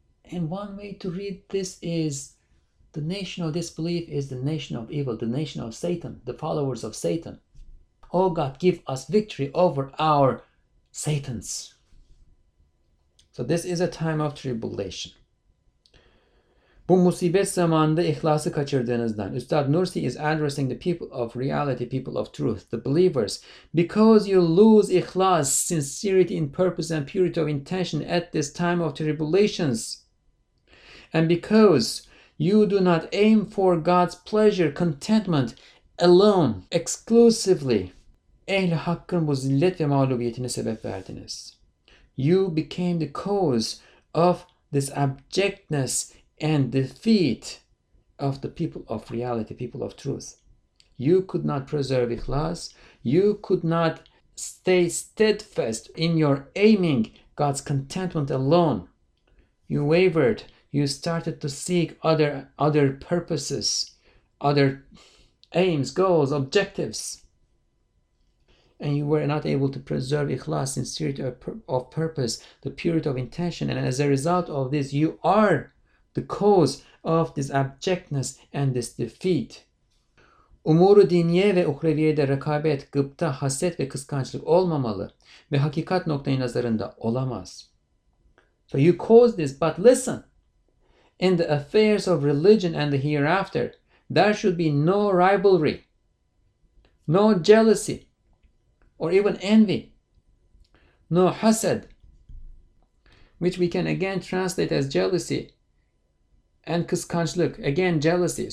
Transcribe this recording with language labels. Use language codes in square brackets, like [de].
[en] And one way to read this is, the nation of disbelief is the nation of evil, the nation of Satan, the followers of Satan. Oh God, give us victory over our Satans. So this is a time of tribulation. [tr] Bu musibet zamanında ihlası kaçırdığınızdan. [en] Üstad Nursi is addressing the people of reality, people of truth, the believers. Because you lose ihlas, sincerity in purpose and purity of intention at this time of tribulations. And because you do not aim for God's pleasure, contentment alone, exclusively. [tr] Ehl-i Hakk'ın bu zillet ve mağlubiyetine sebep verdiniz. [en] You became the cause of this abjectness and defeat of the people of reality, people of truth. You could not preserve ikhlas. You could not stay steadfast in your aiming God's contentment alone. You wavered. You started to seek other purposes, other aims, goals, objectives. And you were not able to preserve ikhlas, sincerity of purpose, the purity of intention. And as a result of this, you are the cause of this abjectness and this defeat. [tr] Umuru diniye ve uhreviyede rekabet, gıpta, haset ve kıskançlık olmamalı ve hakikat noktayı nazarında olamaz. [en] So you caused this, but listen, in the affairs of religion and the hereafter, there should be no rivalry, no jealousy, or even envy, no hasad, which we can again translate as jealousy, and kıskançlık, again jealousy.